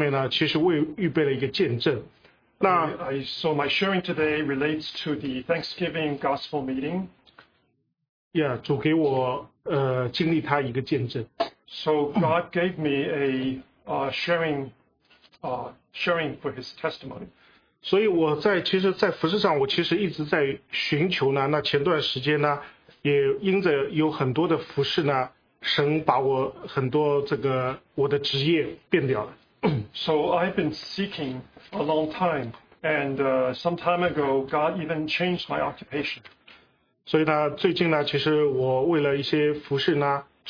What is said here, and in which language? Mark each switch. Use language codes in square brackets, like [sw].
[zh] 讲中了，中了，中了。我想我今天这个分享呢，其实主要是为了感恩节的这个福音聚会呢，那主在这个上面呢，其实为预备了一个见证。那 [en] So my sharing today relates to the Thanksgiving Gospel meeting. [zh] Yeah, 主给我经历他一个见证。 [en] So God gave me a sharing for his testimony. [zh] 所以我在其实在服事上我其实一直在寻求呢，那前段时间呢，也因着有很多的服事呢，神把我很多这个我的职业变掉了。So [en] I've been seeking a long time, and some time ago, God even changed my occupation. [zh] 所以呢，最近呢，其实我为了一些服事呢。